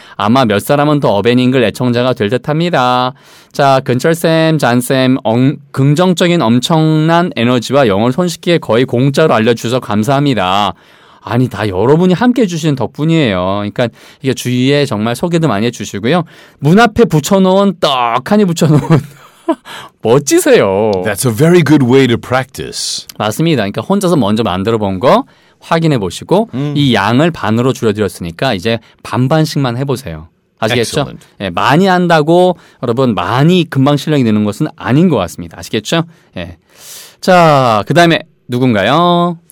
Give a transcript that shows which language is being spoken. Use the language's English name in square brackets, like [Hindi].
[Korean] 아마 몇 사람은 더 어벤잉글 애청자가 될 듯합니다. 자, 근철쌤, 잔쌤, 긍정적인 엄청난 에너지와 영어를 손쉽게 거의 공짜로 알려주셔서 감사합니다. 아니, 다 여러분이 함께 해주시는 덕분이에요. 그러니까 이게 주위에 정말 소개도 많이 해주시고요. 문 앞에 붙여놓은, 떡하니 붙여놓은 멋지세요. [English] That's a very good way to practice. [Korean] 맞습니다. 그러니까 혼자서 먼저 만들어본 거 확인해보시고 이 양을 반으로 줄여드렸으니까 이제 반반씩만 해보세요. 아시겠죠? [English] Excellent. [Korean] 예, 많이 한다고 여러분 많이 금방 실력이 느는 것은 아닌 것 같습니다. 아시겠죠? 예. 자, 그 다음에 누군가요?